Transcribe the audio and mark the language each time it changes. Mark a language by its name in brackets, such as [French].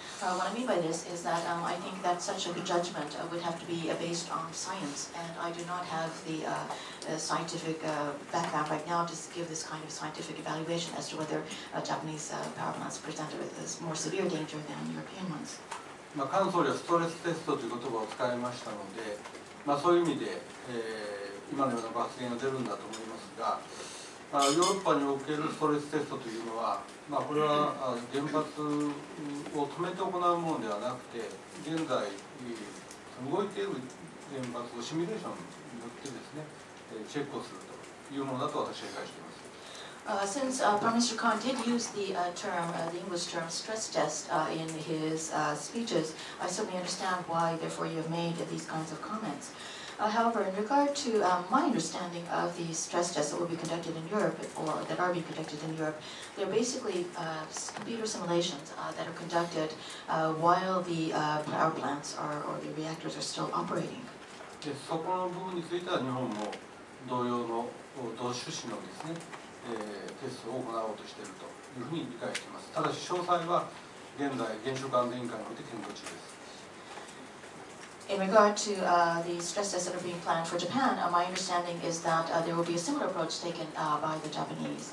[English] What I mean by this is that I think that such a judgment would have to be based on science, and I do not have the scientific background right now to give this kind of scientific evaluation as to whether Japanese power plants present with this more severe danger than European ones. [Japanese] 菅総理はストレステストという言葉を使いましたので、そういう意味で、今のような発言が出るんだと思いますが、ヨーロッパにおけるストレステストというのは、これは原発を止めて行うものではなくて、現在動いている原発をシミュレーションによってですね、チェックをするというものだと私は理解しています。 [English] Since Prime Minister Khan did use the English term stress test in his speeches, I certainly understand why, therefore, you have made these kinds of comments. However, in regard to my understanding of the stress tests that will be conducted in Europe, or that are being conducted in Europe, they're basically computer simulations that are conducted while the power plants are, or the reactors are still operating. [Japanese] で、そこの部分については日本も同様の同種子のですね、テストを行おうとしているというふうに理解しています。ただし詳細は現在原子力安全委員会において検討中です。 [English] In regard to the stress tests that are being planned for Japan, my understanding is that there will be a similar approach taken by the Japanese.